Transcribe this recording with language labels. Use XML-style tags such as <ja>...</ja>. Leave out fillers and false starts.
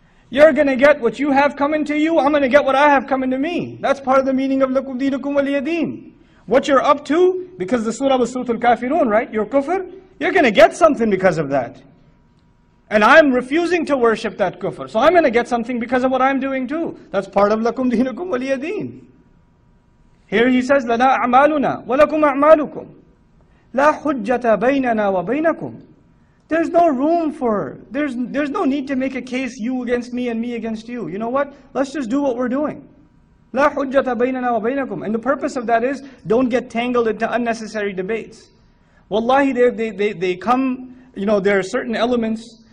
<en>You're going to get what you have coming to you, I'm going to get what I have coming to me. That's part of the meaning of</en> <ar>لَكُمْ دِينُكُمْ وَلِيَ دِينَ.</ar> <en>What you're up to, because the surah was Surah Al-Kafirun, right? Your kufr, you're going to get something because of that. And I'm refusing to worship that kufr, so I'm going to get something because of what I'm doing too. That's part of</en> <ar>لَكُمْ دِينُكُمْ وَلِيَ دِينَ.</ar> <en>Here he says,</en> <ar>لَنَا أَعْمَالُنَا وَلَكُمْ أَعْمَالُكُمْ لَا حُجَّةَ بَيْنَنَا وَبَيْنَكُمْ.</ar> <en>There's no room for, there's no need to make a case you against me and me against you. You know what? Let's just do what we're doing.</en> <ar>لَا حُجَّةَ بَيْنَنَا وَبَيْنَكُمْ.</ar> <en>And the purpose of that is, don't get tangled into unnecessary debates. Wallahi, they come, you know, there are certain elements.</en>